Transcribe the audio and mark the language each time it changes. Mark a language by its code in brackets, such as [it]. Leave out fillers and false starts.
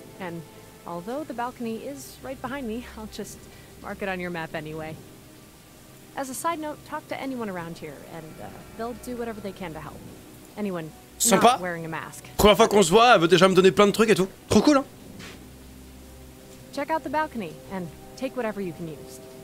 [en] And although the balcony is right behind me, I'll just mark it on your map anyway. As a side note, talk to anyone around here and they'll do whatever they can to help. Anyone [fr] sympa. [en] Not wearing a mask. [fr] Première fois qu'on se voit, elle veut déjà me donner plein de trucs et tout. Trop cool, hein? [en] Check out the balcony and take whatever you can use.